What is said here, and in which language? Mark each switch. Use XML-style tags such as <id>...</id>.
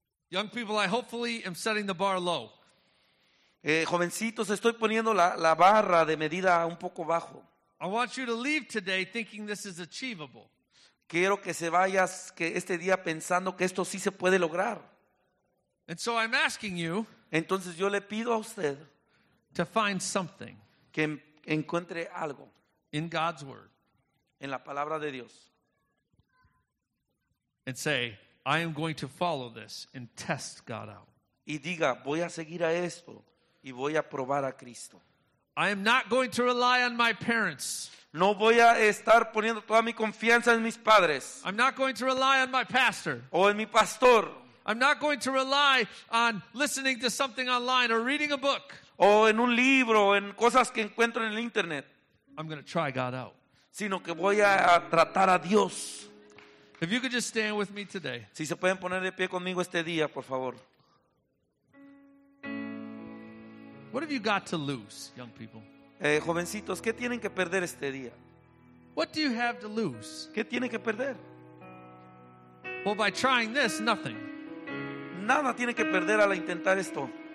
<en>Young people, I hopefully am setting the bar low.</en> <es>Jovencitos, estoy poniendo la barra de medida un poco bajo.</es> <en>I want you to leave today thinking this is achievable.</en> <es>Quiero que se vayas que este día pensando que esto sí se puede lograr.</es> <en>And so I'm asking you,</en> <es>entonces yo le pido a usted,</es> <en>to find something,</en> <es>que encuentre algo,</es> <en>in God's word,</en> <es>en la palabra de Dios,</es> <en>and say, I am going to follow this and test God out.</en> <es>Y diga, voy a seguir a esto y voy a probar a Cristo.</es> <en>I am not going to rely on my parents.</en> <es>No voy a estar poniendo toda mi confianza en mis padres.</es> <en>I'm not going to rely on my pastor.</en> <es>O en mi pastor.</es> <en>I'm not going to rely on listening to something online or reading a book.</en> <es>O en un libro, en cosas que encuentro en el internet.</es> <en>I'm going to try God out.</en> <es>Sino que voy a tratar a Dios.</es> <en>If you could just stand with me today.</en> <es>Si se pueden poner de pie conmigo este día, por favor.</es> <en>What have you got to lose, young people?</en> <es>Jovencitos, ¿qué tienen que perder este día?</es> <en>What do you have to lose?</en> <es>¿Qué tiene que perder?</es> <en>Well, by trying this, nothing.</en> <es>Nada tiene que perder al intentar esto.</es>